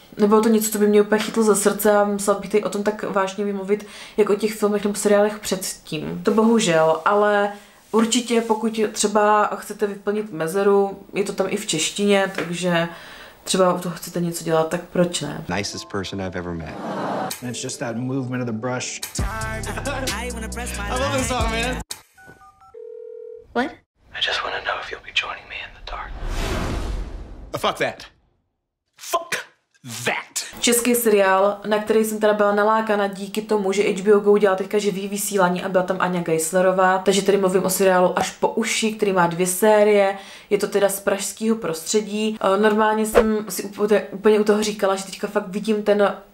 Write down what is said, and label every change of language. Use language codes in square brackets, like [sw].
[cs] Nebylo to něco, co by mě úplně chytlo za srdce a musela bych tady o tom tak vážně vymluvit, jako o těch filmech nebo seriálech předtím. To bohužel, ale určitě, pokud třeba chcete vyplnit mezeru, je to tam i v češtině, takže třeba u toho chcete něco dělat, tak proč ne? [en] Nicest person I've ever met. It's just that movement of the brush. I love this song, man. What? I just want to know if you'll be joining me in the dark. Fuck that. Fuck. That. [cs] Český seriál, na který jsem teda byla nalákána díky tomu, že HBO GO udělala teďka živý vysílání a byla tam Anja Geislerová. Takže tady mluvím o seriálu Až po uši, který má 2 série. Je to teda z pražského prostředí. Normálně jsem si úplně u toho říkala, že teďka fakt vidím ten